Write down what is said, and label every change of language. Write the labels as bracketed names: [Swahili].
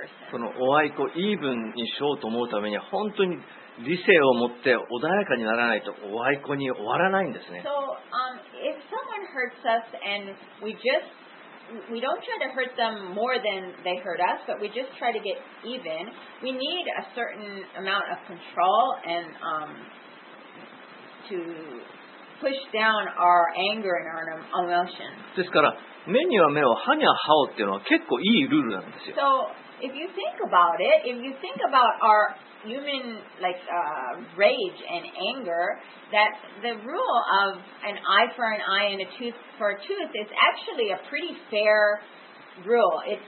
[Japanese] そのお相手をイーブンにしようと思うためには本当に理性を持って穏やかにならないとお相手に終わらないんですね。 [English] So, if someone hurts us and we don't try to hurt them more than they hurt us, but we just try to get even, we need a certain amount of control and to push down our anger and our emotions. [Japanese] ですから目には目を、歯には歯をっていうのは結構いいルールなんですよ。 [English] So, if you think about it, if you think about our human, like, rage and anger, that the rule of an eye for an eye and a tooth for a tooth is actually a pretty fair rule.